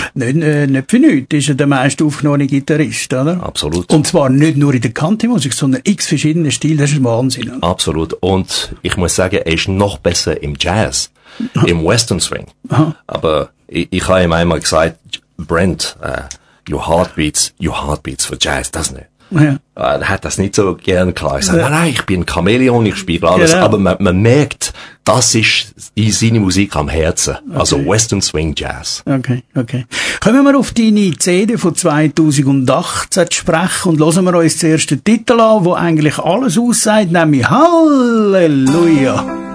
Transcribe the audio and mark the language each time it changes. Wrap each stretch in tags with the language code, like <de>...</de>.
<de>Nicht für nichts ist er der meist aufgenommene Gitarrist, oder? Absolut. Und zwar nicht nur in der Country-Musik, sondern x verschiedene Stile, das ist Wahnsinn. Oder? Absolut. Und ich muss sagen, er ist noch besser im Jazz, im Western Swing. Aber ich habe ihm einmal gesagt, Brent,</de> <en>your heartbeats for Jazz, doesn't it?</en> <de>Ja. Er hat das nicht so gern klar. Ich sag, nein, nein, ich bin ein Chamäleon, ich spiele alles. Genau. Aber man merkt, das ist in seine Musik am Herzen. Okay. Also Western Swing Jazz. Okay, okay. Kommen wir auf deine CD von 2018 zu sprechen und hören wir uns den ersten Titel an, der eigentlich alles aussagt, nämlich Halleluja.</de>